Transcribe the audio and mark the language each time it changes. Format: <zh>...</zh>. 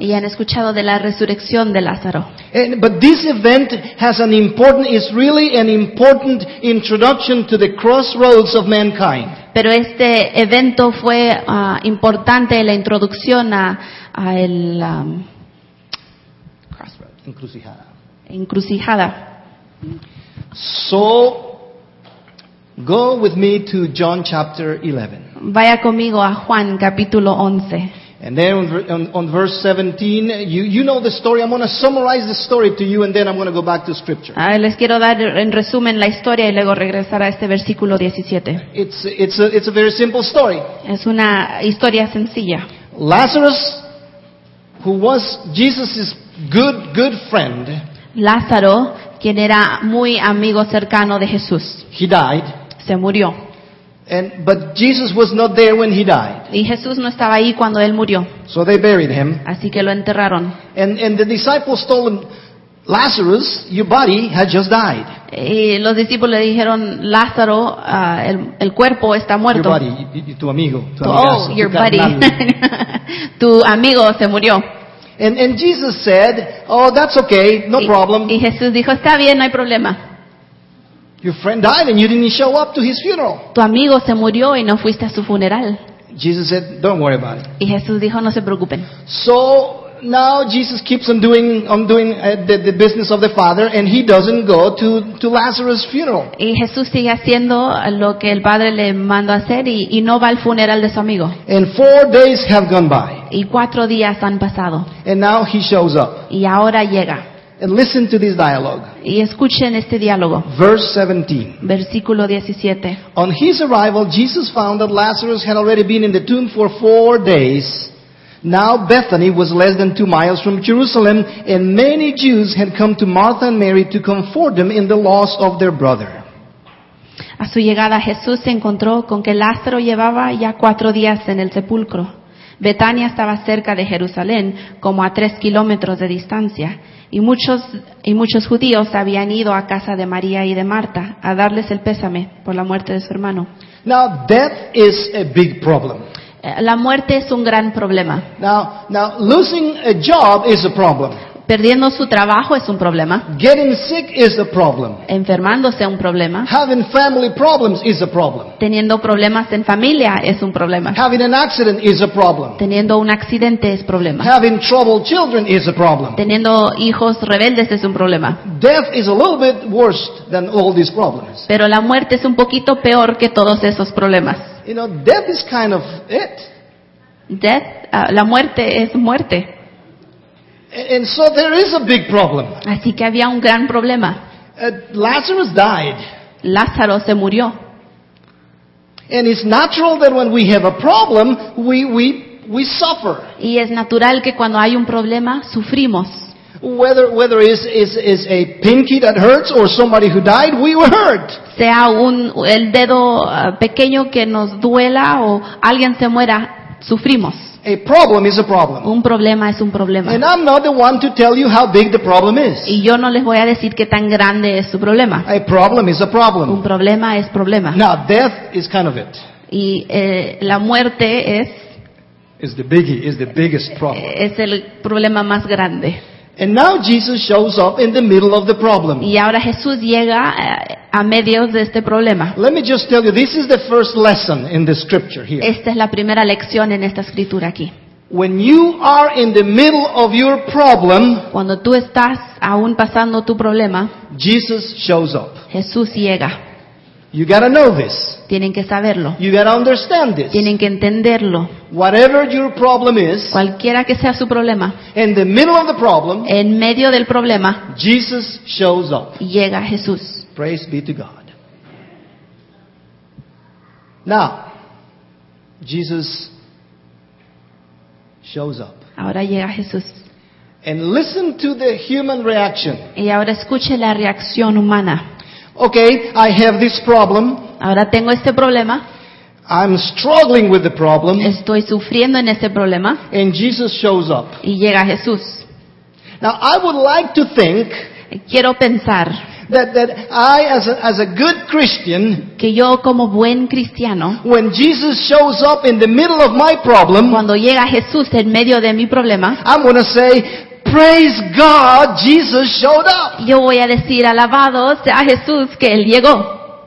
<es>Y han escuchado de la resurrección de Lázaro.</es> <en>But this event is really an important introduction to the crossroads of mankind.</en> <es>Pero este evento fue importante en la introducción a el</es> <en>crossroads.</en> <es>Encrucijada. Encrucijada.</es> <en>So, go with me to John chapter 11.</en> <es>Vaya conmigo a Juan capítulo 11.</es> <en>And then on verse 17, you know the story. I'm going to summarize the story to you, and then I'm going to go back to scripture.</en> <es>Les quiero dar en resumen la historia y luego regresar a este versículo 17.</es> <en>It's a very simple story.</en> <es>Es una historia sencilla.</es> <en>Lazarus, who was Jesus's good friend.</en> <es>Lázaro, quien era muy amigo cercano de Jesús.</es> <en>He died.</en> <es>Se murió.</es> <en>But Jesus was not there when he died.</en> <es>Y Jesús no estaba ahí cuando él murió.</es> <en>So they buried him.</en> <es>Así que lo enterraron.</es> <en>And the disciples told him, Lazarus, your body had just died.</en> <es>Y los discípulos le dijeron, Lázaro, el cuerpo está muerto.</es> <en>Your body,</en> <es>tu amigo, tu amigazo, oh,</es> <en>your</en> <es>tu</es> <en>buddy.</en> <es>Tu amigo se murió.</es> <en>And Jesus said, oh, that's okay, no problem.</en> <es>Y Jesús dijo, está bien, no hay problema.</es> <en>Your friend died and you didn't show up to his funeral.</en> <es>Tu amigo se murió y no fuiste a su funeral.</es> <en>Jesus said, don't worry about it.</en> <es>Y Jesús dijo, no se preocupen.</es> <en>So now Jesus keeps on doing the business of the Father, and he doesn't go to Lazarus' funeral.</en> <es>Y Jesús sigue haciendo lo que el Padre le mandó hacer y no va al funeral de su amigo.</es> <en>And 4 days have gone by.</en> <es>Y 4 días han pasado.</es> <en>And now he shows up.</en> <es>Y ahora llega.</es> <en>And listen to this dialogue.</en> <es>Y escuchen este diálogo.</es> <en>Verse 17.</en> <es>Versículo 17.</es> <en>On his arrival, Jesus found that Lazarus had already been in the tomb for 4 days. Now Bethany was less than 2 miles from Jerusalem, and many Jews had come to Martha and Mary to comfort them in the loss of their brother.</en> <es>A su llegada, Jesús se encontró con que Lázaro llevaba ya 4 días en el sepulcro. Betania estaba cerca de Jerusalén, como a 3 kilómetros de distancia. Y muchos judíos habían ido a casa de María y de Marta a darles el pésame por la muerte de su hermano.</es> <en>Now, death is a big problem.</en> <es>La muerte es un gran problema.</es> <en>Now, losing a job is a problem.</en> <es>Perdiendo su trabajo es un problema.</es> <en>Getting sick is a problem.</en> <es>Enfermándose es un problema.</es> <en>Having family problems is a problem.</en> <es>Teniendo problemas en familia es un problema.</es> <en>Having an accident is a problem.</en> <es>Teniendo un accidente es problema.</es> <en>Having troubled children is a problem.</en> <es>Teniendo hijos rebeldes es un problema.</es> <en>Death is a little bit worse than all these problems.</en> <es>Pero la muerte es un poquito peor que todos esos problemas.</es> <en>You know, death is kind of it.</en> <es>La muerte es muerte.</es> <en>And so there is a big problem.</en> <es>Así que había un gran problema.</es> <en>Lazarus died.</en> <es>Lázaro se murió.</es> <en>And it's natural that when we have a problem, we suffer.</en> <es>Y es natural que cuando hay un problema, sufrimos.</es> <en>Whether it is a pinky that hurts or somebody who died, we were hurt.</en> <es>Sea el dedo pequeño que nos duela o alguien se muera, sufrimos.</es> <en>A problem is a problem.</en> <es>Un problema es un problema.</es> <en>And I'm not the one to tell you how big the problem is.</en> <es>Y yo no les voy a decir qué tan grande es su problema.</es> <en>A problem is a problem.</en> <es>Un problema es problema.</es> <en>Now, death is kind of it.</en> <es>Y la muerte</es> <en>is the biggest problem.</en> <es>Es el problema más grande.</es> <en>And now Jesus shows up in the middle of the problem.</en> <es>Y ahora Jesús llega a medio de este problema.</es> <en>Let me just tell you, this is the first lesson in the scripture here.</en> <es>Esta es la primera lección en esta escritura aquí.</es> <en>When you are in the middle of your problem,</en> <es>cuando tú estás aún pasando tu problema,</es> <en>Jesus shows up.</en> <es>Jesús llega.</es> <en>You gotta know this.</en> <es>Tienen que saberlo.</es> <en>You gotta understand this.</en> <es>Tienen que entenderlo.</es> <en>Whatever your problem is,</en> <es>cualquiera que sea su problema,</es> <en>in the middle of the problem,</en> <es>en medio del problema,</es> <en>Jesus shows up.</en> <es>Llega Jesús.</es> <en>Praise be to God. Now, Jesus shows up.</en> <es>Ahora llega Jesús.</es> <en>And listen to the human reaction.</en> <es>Y ahora escuche la reacción humana.</es> <en>Okay, I have this problem.</en> <es>Ahora tengo este problema.</es> <en>I'm struggling with the problem.</en> <es>Estoy sufriendo en este problema.</es> <en>And Jesus shows up.</en> <es>Y llega Jesús.</es> <en>Now, I would like to think,</en> <es>quiero pensar,</es> <en>that I, as a good Christian,</en> <es>que yo como buen cristiano,</es> <en>when Jesus shows up in the middle of my problem,</en> <es>cuando llega Jesús en medio de mi problema,</es> <en>I'm going to say, praise God, Jesus showed up.</en> <es>Yo voy a decir, alabado sea Jesús, que Él llegó.</es>